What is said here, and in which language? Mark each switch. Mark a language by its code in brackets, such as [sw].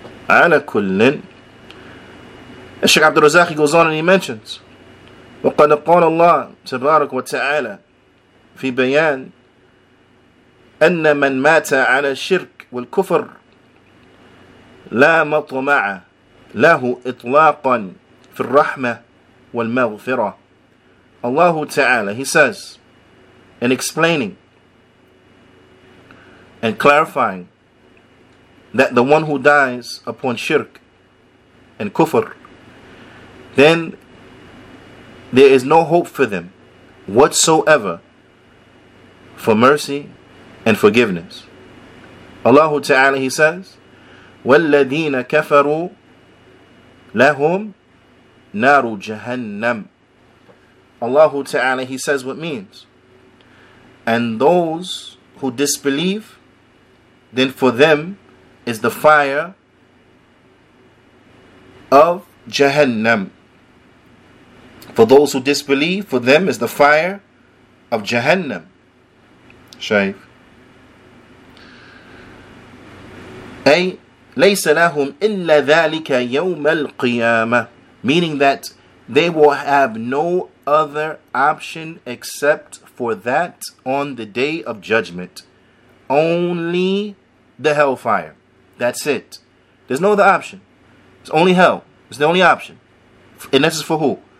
[ar] على كلٍ الشيخ عبد الرزاق [en] goes on and he mentions [ar] وقد قال الله تبارك وتعالى في بيان أن من مات على الشرك والكفر لا مطمع له إطلاقا في الرحمة والمغفرة. [en] الله تعالى, he says in explaining and clarifying that the one who dies upon shirk and kufr, then there is no hope for them whatsoever for mercy and forgiveness. Allah Ta'ala, he says, [ar] وَالَّذِينَ كَفَرُوا لَهُمْ نَارُ جَهَنَّمْ. [en] Allah Ta'ala, he says what means, and those who disbelieve, then for them is the fire of Jahannam. For those who disbelieve, for them is the fire of Jahannam. Shaykh. [ar] أي ليس لهم إلا ذلك يوم القيامة. [en] Meaning that they will have no other option except for that on the day of judgment. Only the hellfire. That's it. There's no other option. It's only hell. It's the only option. And this is for who?